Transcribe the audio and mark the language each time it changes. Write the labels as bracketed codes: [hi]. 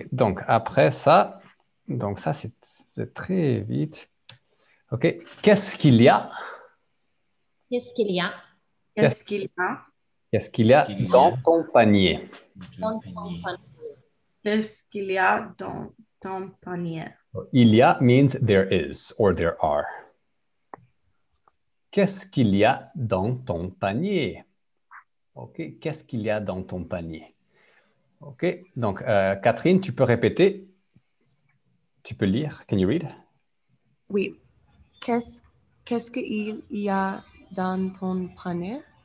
[fr] Donc, après ça, c'est très vite. OK. Qu'est-ce qu'il y a? Qu'est-ce qu'il y a? Qu'est-ce qu'il y a? Qu'est-ce qu'il y a dans ton panier? Dans ton panier. Qu'est-ce qu'il y a dans ton panier? [en] Il y a means there is or there are. [fr] Qu'est-ce qu'il y a dans ton panier? OK, qu'est-ce qu'il y a dans ton panier? OK, donc Catherine, tu peux répéter? Tu peux lire? [en] Can you read? [fr] Oui. Qu'est-ce qu'il y a dans ton panier?